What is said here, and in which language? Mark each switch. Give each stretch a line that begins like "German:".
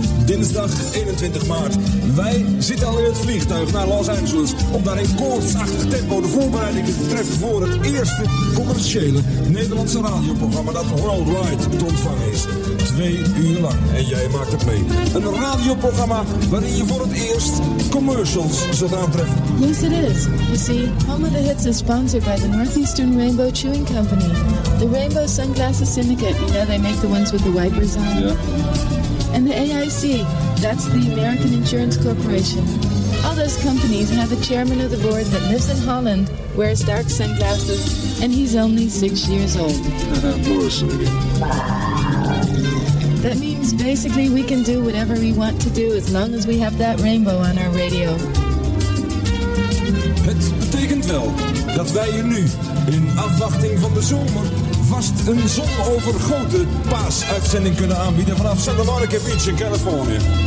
Dutch: dinsdag 21 maart. Wij zitten al in het vliegtuig naar Los Angeles om daar in koortsachtig tempo de voorbereidingen te treffen voor het eerste commerciële Nederlandse radioprogramma dat worldwide te ontvangen is. 2 uur lang en jij maakt het mee. Een radioprogramma waarin je voor het eerst commercials zult aantreffen.
English: Yes it is. You see, Home of the Hits is sponsored by the Northeastern Rainbow Chewing Company. The Rainbow Sunglasses Syndicate, you know they make the ones with the wipers on? Yeah. And the AIC, that's the American Insurance Corporation. All those companies have a chairman of the board that lives in Holland, wears dark sunglasses, and he's only 6 years old. That means basically we can do whatever we want to do as long as we have that rainbow on our radio.
Dutch: Het betekent wel dat wij je nu, in afwachting van de zomer, vast een zonovergoten paasuitzending kunnen aanbieden vanaf Santa Monica Beach in Californië.